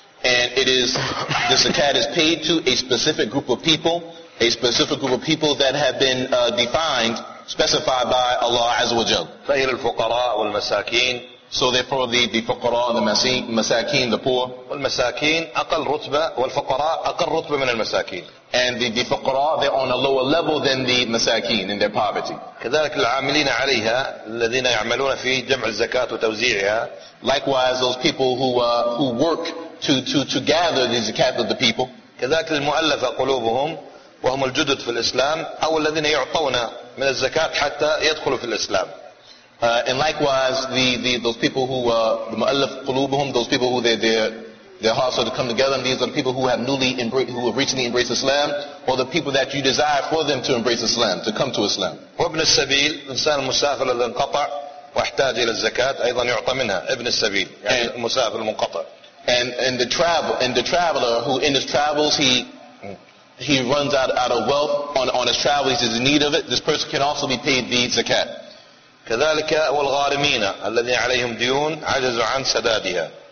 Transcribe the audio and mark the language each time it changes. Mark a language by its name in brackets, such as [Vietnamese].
[English] And it is, the zakat is paid to a specific group of people, a specific group of people that have been defined, specified by Allah [Arabic] عز وجل. فهي للفقراء والمساكين. [English] So therefore the فقراء and the مساكين, the poor. [Arabic] والمساكين أقل رتبة والفقراء أقل رتبة من المساكين. [English] And the فقراء, they're on a lower level than the مساكين in their poverty. [Arabic] كذلك العاملين عليها الذين يعملون في جمع الزكاة وتوزيعها. [English] Likewise those people who work to gather the zakat of the people. [Arabic] كذلك المؤلفة قلوبهم وهم الجدد في الإسلام أو الذين يعطون من الزكاة حتى يدخلوا في الإسلام. [English] And likewise the those people who the [Arabic] مؤلف قلوبهم, [English] those people who their hearts are to come together, and these are the people who have recently embraced Islam, or the people that you desire for them to embrace Islam, to come to Islam. [Arabic] وابن السبيل إنسان المسافر الذي انقطع واحتاج إلى الزكاة أيضا يعطى منها ابن السبيل يعني المسافر المنقطع. [English] And the traveler who in his travels he runs out of wealth on his travels, he's in need of it, this person can also be paid the zakat. [Arabic] كذلك والغارمين الذين عليهم ديون عجزوا عن سدادها.